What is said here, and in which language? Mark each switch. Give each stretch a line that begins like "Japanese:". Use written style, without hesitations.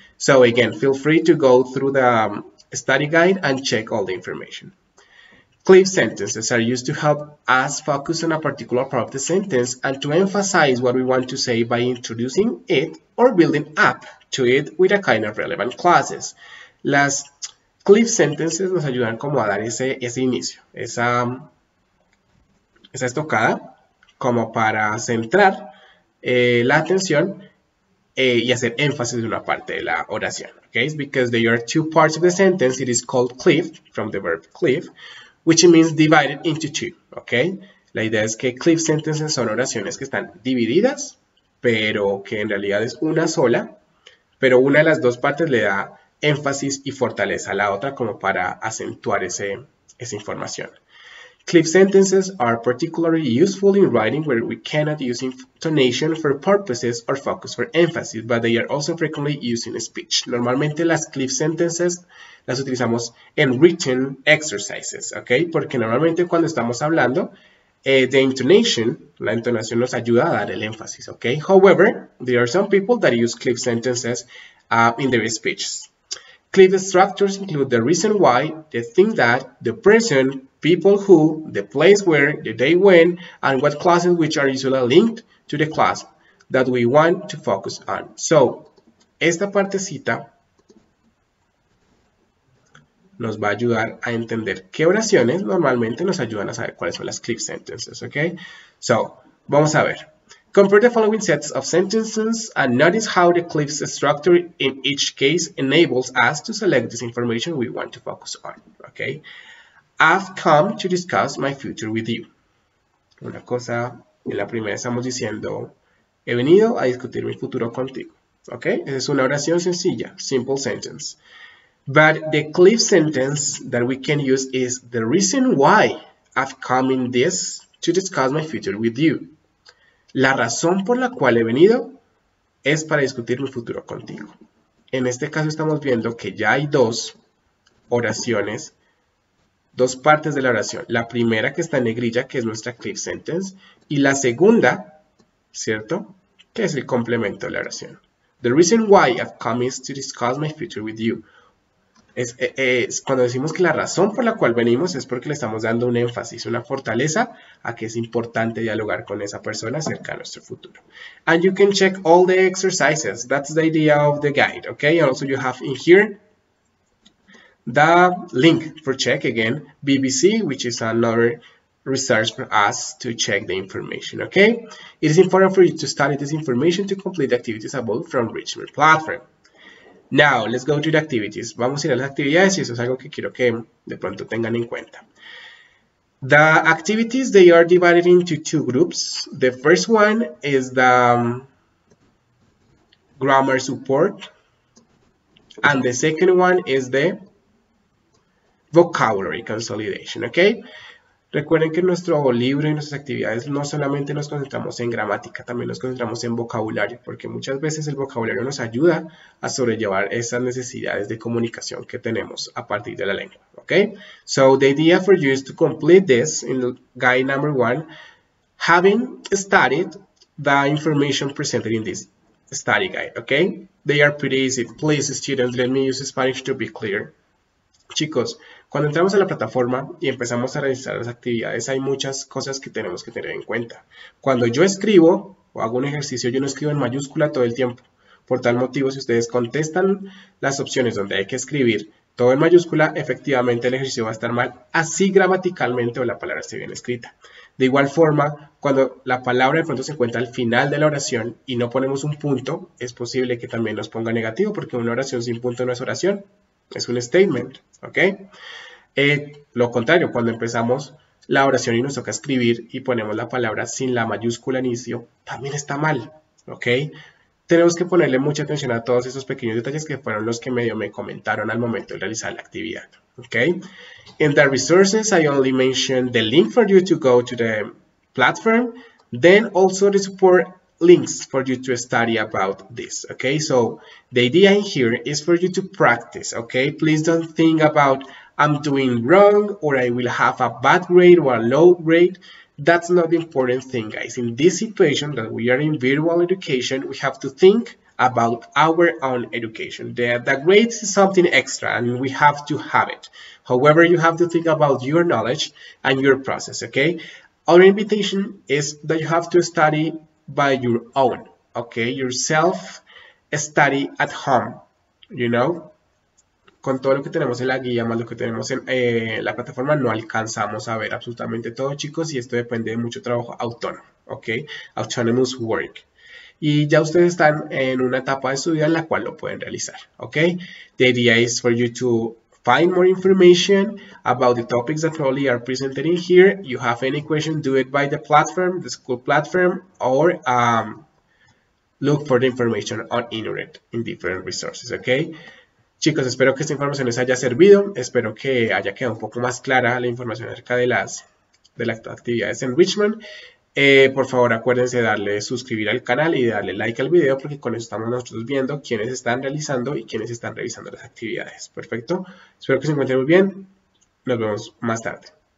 English: So again, feel free to go through the study guide and check all the information. Cleft sentences are used to help us focus on a particular part of the sentence and to emphasize what we want to say by introducing it or building up to it with a kind of relevant clauses.
Spanish: Las cleft sentences nos ayudan como a dar ese inicio, esa estocada, como para centrar la atención y hacer énfasis en una parte de la oración.
English: Okay? Because there are two parts of the sentence, it is called cleft, from the verb cleft, which means divided into two. Okay?
Spanish: La idea es que cleft sentences son oraciones que están divididas, pero que en realidad es una sola, pero una de las dos partes le da énfasis y fortaleza a la otra como para acentuar esa información.
English: Cleft sentences are particularly useful in writing where we cannot use intonation for purposes or focus for emphasis, but they are also frequently used in speech.
Spanish: Normalmente las cleft sentences las utilizamos en
English: written exercises,
Spanish: ¿ok? Porque normalmente cuando estamos hablando,
English: the intonation,
Spanish: la entonación nos ayuda a dar el énfasis, ¿ok?
English: However, there are some people that use cleft sentences in their speeches. Cleft structures include the reason why, the thing that, the person, people who, the place where, the day when, and what clauses which are usually linked to the clause that we want to focus on.
Spanish: So, esta partecita nos va a ayudar a entender qué oraciones normalmente nos ayudan a saber cuáles son las cleft sentences, okay? So, vamos a ver.
English: Compare the following sets of sentences and notice how the cleft structure in each case enables us to select this information we want to focus on. Okay? I've come to discuss my future with you.
Spanish: Una cosa, en la primera estamos diciendo, he venido a discutir mi futuro contigo. Okay? Esa es una oración sencilla,
English: simple sentence. But the cleft sentence that we can use is the reason why I've come in this to discuss my future with you.
Spanish: La razón por la cual he venido es para discutir mi futuro contigo. En este caso estamos viendo que ya hay dos oraciones dos partes de la oración. La primera que está en negrilla, que es nuestra clip sentence, y la segunda, ¿cierto? Que es el complemento de la oración.
English: The reason why I've come is to discuss my future with you.
Spanish: Es cuando decimos que la razón por la cual venimos es porque le estamos dando un énfasis, una fortaleza a que es importante dialogar con esa persona acerca de nuestro futuro.
English: And you can check all the exercises. That's the idea of the guide, okay? And also you have in here the link for check again, BBC, which is another research for us to check the information, okay? It is important for you to study this information to complete the activities above from Richmond Platform. Now, let's go to the activities.
Spanish: Vamos a ir a las actividades y eso es algo que quiero que de pronto tengan en cuenta.
English: The activities, they are divided into two groups. The first one is the grammar support. And the second one is the vocabulary consolidation, okay?
Spanish: Recuerden que en nuestro libro y nuestras actividades no solamente nos concentramos en gramática, también nos concentramos en vocabulario, porque muchas veces el vocabulario nos ayuda a sobrellevar esas necesidades de comunicación que tenemos a partir de la lengua, okay?
English: So the idea for you is to complete this in guide number one, having studied the information presented in this study guide, okay? They are pretty easy. Please, students, let me use Spanish to be clear.
Spanish: Chicos, cuando entramos a la plataforma y empezamos a realizar las actividades, hay muchas cosas que tenemos que tener en cuenta. Cuando yo escribo o hago un ejercicio, yo no escribo en mayúscula todo el tiempo. Por tal motivo, si ustedes contestan las opciones donde hay que escribir todo en mayúscula, efectivamente el ejercicio va a estar mal, así gramaticalmente o la palabra esté bien escrita. De igual forma, cuando la palabra de pronto se encuentra al final de la oración y no ponemos un punto, es posible que también nos ponga negativo, porque una oración sin punto no es oración. Es un statement, ¿ok? Lo contrario, cuando empezamos la oración y nos toca escribir y ponemos la palabra sin la mayúscula al inicio, también está mal, ¿ok? Tenemos que ponerle mucha atención a todos esos pequeños detalles que fueron los que medio me comentaron al momento de realizar la actividad, ¿ok?
English: In the resources, I only mentioned the link for you to go to the platform, then also the support links for you to study about this, okay? So the idea in here is for you to practice, okay? Please don't think about I'm doing wrong or I will have a bad grade or a low grade. That's not the important thing, guys. In this situation that we are in virtual education, we have to think about our own education. The grades is something extra and we have to have it. However, you have to think about your knowledge and your process, okay? Our invitation is that you have to study by your own, okay? Yourself study at home, you know?
Spanish: Con todo lo que tenemos en la guía, más lo que tenemos en la plataforma, no alcanzamos a ver absolutamente todo, chicos, y esto depende de mucho trabajo autónomo, okay?
English: Autonomous work.
Spanish: Y ya ustedes están en una etapa de su vida en la cual lo pueden realizar, okay?
English: The idea is for you to find more information about the topics that probably are presented in here. You have any question, do it by the platform, the school platform, or look for the information on internet in different resources, okay?
Spanish: Chicos, espero que esta información les haya servido. Espero que haya quedado un poco más clara la información acerca de las actividades en Richmond. Por favor, acuérdense de darle suscribir al canal y darle like al video, porque con eso estamos nosotros viendo quiénes están realizando y quiénes están revisando las actividades. Perfecto. Espero que se encuentren muy bien. Nos vemos más tarde.